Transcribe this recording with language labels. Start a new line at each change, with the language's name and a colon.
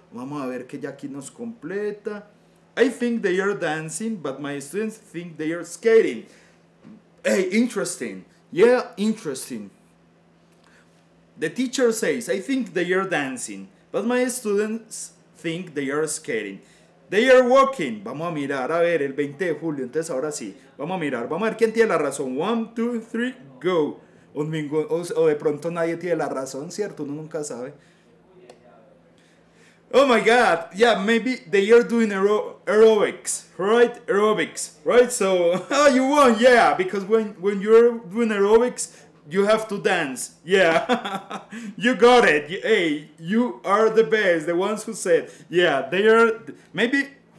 Spanish: Vamos a ver que ya aquí nos completa.
English: I think they are dancing, but my students think they are skating. Hey, interesting. Yeah, interesting. The teacher says, I think they are dancing, but my students think they are skating. They are walking.
Spanish: Vamos a mirar, a ver, el 20 de julio. Entonces, ahora sí. Vamos a ver quién tiene la razón.
English: 1, 2, 3, go.
Spanish: O de pronto nadie tiene la razón, ¿cierto? Uno nunca sabe.
English: Oh my God, yeah, maybe they are doing aerobics, right? So, oh, you won, yeah, because when you're doing aerobics, you have to dance, yeah. You got it, hey, you are the best, the ones who said, yeah, they are, maybe...